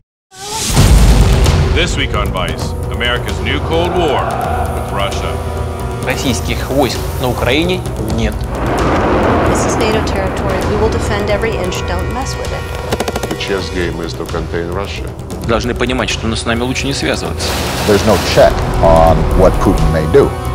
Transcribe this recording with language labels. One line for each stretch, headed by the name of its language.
English: This week on Vice, America's new Cold War with Russia.
Russian: Российских войск на Украине нет.
English: This is NATO territory. We will defend every inch. Don't mess with it. The chess game is to contain Russia.
Russian: Должны понимать, что с нами лучше не связываться.
English: There's no check on what Putin may do.